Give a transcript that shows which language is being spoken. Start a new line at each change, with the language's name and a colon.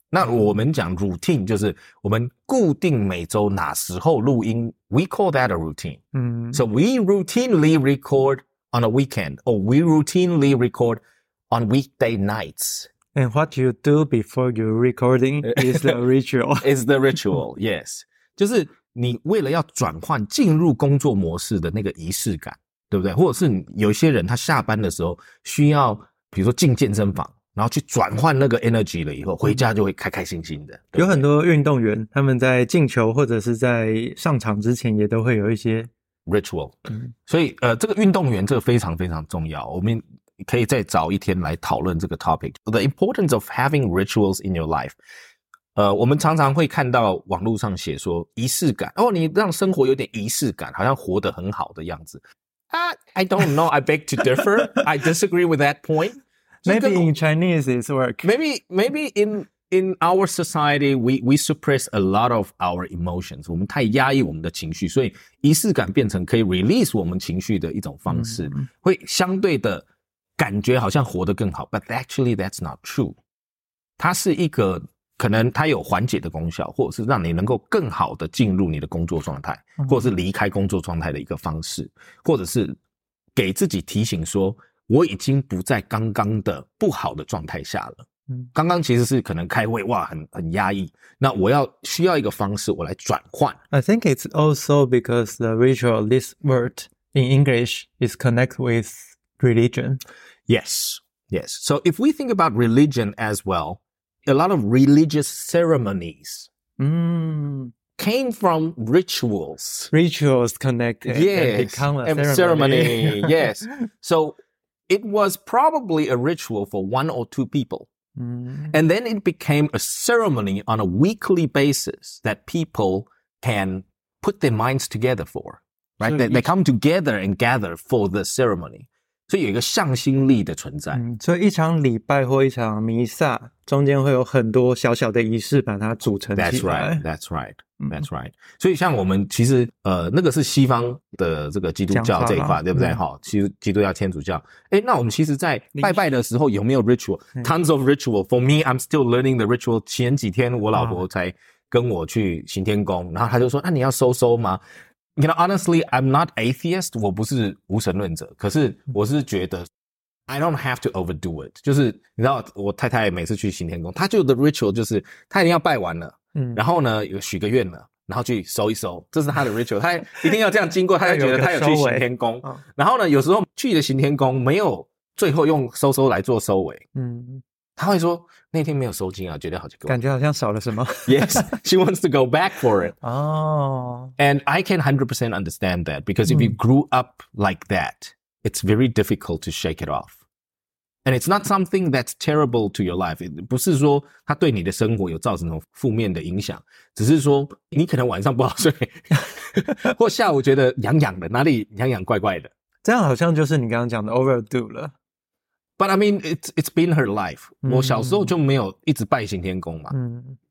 Chinese: 那我们讲 routine 就是我们固定每周哪时候录音，
English: we call that a routine. 嗯， So we routinely record on a weekend, or we routinely record on weekday nights. And what you do before you recording is the ritual. Is the ritual, yes.
Chinese: 就是你为了要转换进入工作模式的那个仪式感，对不对？或者是有些人他下班的时候需要比如说进健身房然后去转换那个 energy 了以后回家就会开开心心的，对不对？有很多运动员他们在进球或者是在上场之前也都会有一些 ritual。 所以这个运动员这个非常非常重要，我们可以再找一天来讨论这个 topic，
English: The importance of having rituals in your life。
Chinese: 我们常常会看到网络上写说仪式感，哦，你让生活有点仪式感，好像活得很好的样子。
English: I don't know, I beg to differ. I disagree with that point. Maybe in Chinese it's work. Maybe in our society, we suppress a lot of our emotions.
Chinese: 我们太压抑我们的情绪，所以仪式感变成可以 release 我们情绪的一种方式，会相对的感觉好像活得更好。
English: But actually, that's not true.
Chinese: 它是一个可能它有缓解的功效，或者是让你能够更好的进入你的工作状态，或者是离开工作状态的一个方式，或者是给自己提醒说我已经不在刚刚的不好的状态下了。刚刚其实是可能开会哇很压抑，那我要需要一个方式我来转换。
English: I think it's also because the ritual, this word in English is connect with religion. Yes, yes. So if we think about religion as wellA lot of religious ceremonies、came from rituals. Rituals connected、 yes. and become a ceremony. Ceremony, yes. So it was probably a ritual for one or two people.、And then it became a ceremony on a weekly basis that people can put their minds together for. Right? So they come together and gather for the ceremony.
Chinese: 所以有一个向心力的存在、所以一场礼拜或一场弥撒中间会有很多小小的仪式把它组成起来。
English: That's right, that's right, that's right.、
Chinese: 所以像我们其实那个是西方的这个基督教这一块，对不对、基督教天主教。那我们其实在拜拜的时候有没有 ritual?
English: Tons of ritual. For me, I'm still learning the ritual.
Chinese: 前几天我老婆才跟我去行天宫、然后她就说那、你要收收吗？
English: You know, honestly, I'm not atheist.
Chinese: 我不是无神论者，可是我是觉得
English: I don't have to overdo it.
Chinese: 就是你知道，我太太每次去行天宫，她就的 ritual 就是她一定要拜完了，然后呢有许个愿了，然后去收一收，这是她的 ritual. 她一定要这样经过，她就觉得她有去行天宫。然后呢，有时候去的行天宫没有最后用收收来做收尾，她会说那天没有收金啊，觉得好奇怪，感觉好像少了什么。
English: Yes, she wants to go back for it. Oh, and I can 100% understand that because if you grew up like that, it's very difficult to shake it off. And it's not something that's terrible to your life.
Chinese: 不是说它对你的生活有造成什么负面的影响，只是说你可能晚上不好睡，或下午觉得痒痒的，哪里痒痒怪怪的。这样好像就是你刚刚讲的 overdo 了。
English: But I mean, it's been her life.、
Chinese: 嗯、我小时候就没有一直拜行天宫嘛、嗯。